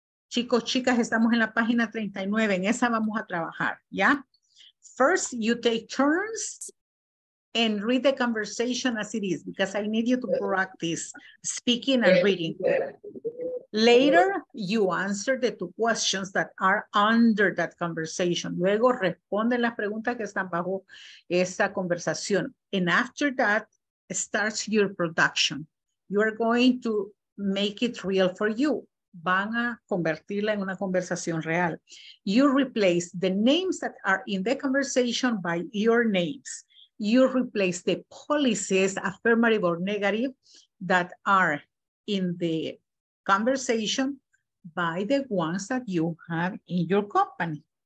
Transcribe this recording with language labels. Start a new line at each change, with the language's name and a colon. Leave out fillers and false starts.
Spanish: Chicos, chicas, estamos en la página 39, en esa vamos a trabajar, ¿ya?
English: First, you take turns and read the conversation as it is, because I need you to practice speaking and reading. Later, you answer the two questions that are under that conversation.
Spanish: Luego, responde las preguntas que están bajo esa conversación.
English: And after that, starts your production. You are going to make it real for you.
Spanish: van a convertirla en una conversación real.
English: You replace the names that are in the conversation by your names. You replace the policies, affirmative or negative, that are in the conversation by the ones that you have in your company.